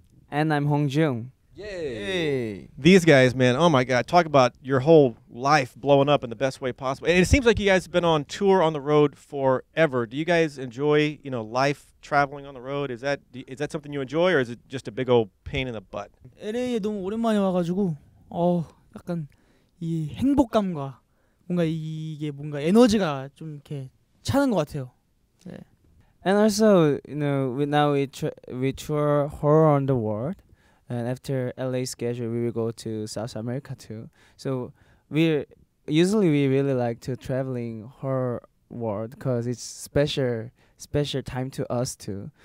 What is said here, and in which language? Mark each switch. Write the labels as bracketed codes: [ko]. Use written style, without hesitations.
[en] And I'm Hong Jung. Yay! These guys, man, oh my god, talk about your whole life blowing up in the best way possible. And it seems like you guys have been on tour on the road forever. Do you guys enjoy, you know, life traveling on the road? Is that something you enjoy, or is it just a big old pain in the butt? [ko] LA에 너무 오랜만에 와가지고 약간 이 행복감과 뭔가 이게 뭔가 에너지가 좀 이렇게 차는 것 같아요. 네. [en] And also, you know, we tour all around the world. And after LA schedule, we will go to South America too. So we really like to traveling her world because it's special time to us too.